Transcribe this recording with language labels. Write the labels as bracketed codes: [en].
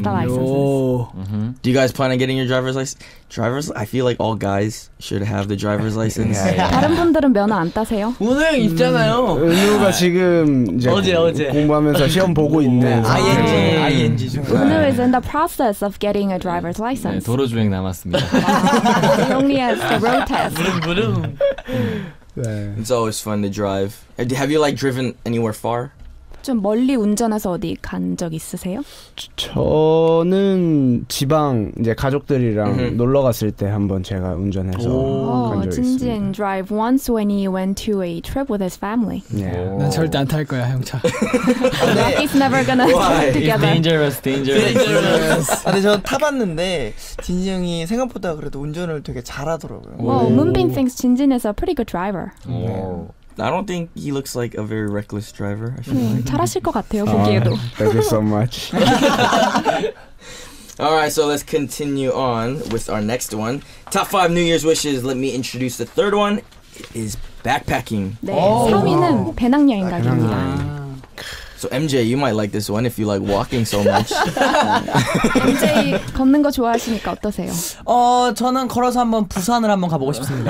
[en] Do you guys plan on getting your driver's license? I feel like all guys should have the driver's license. [ko] 다른 분들은 면허 안 따세요? 은우 있잖아요. 은우가 지금 이제 어제 공부하면서 시험 보고 있는. ING죠. [en] 은우 is in the process of getting a driver's license. [ko] 네, 도로 주행 남았습니다. [en] He only has the road test. [ko] 무릎. [en] It's always fun to drive. Have you like driven anywhere far? [ko] 좀 멀리 운전해서 어디 간 적 있으세요? 저는 지방 이제 가족들이랑 놀러 갔을 때 한번 제가 운전해서 간 적 있습니다. [en] Jinjin drive once when he went to a trip with his family. [ko] 네, 난 절대 안 탈 거야 형차. [en] He's never gonna drive together. It's dangerous. [ko] 근데 저 타봤는데 진진 형이 생각보다 그래도 운전을 되게 잘하더라고요. [en] Well, Moonbin thinks Jinjin is a pretty good driver. I don't think he looks like a very reckless driver. I feel like. [ko] 잘하실 것 같아요, 보기에도. [en] Thank you so much. All right, so let's continue on with our next one. Top 5 New Year's wishes. Let me introduce the third one. It is backpacking. [ko] 네, 3위는 배낭여행 가기입니다. [en] So MJ, you might like this one if you like walking so much. [ko] MJ, 걷는 거 좋아하시니까 어떠세요? 저는 걸어서 한번 부산을 한번 가보고 싶습니다.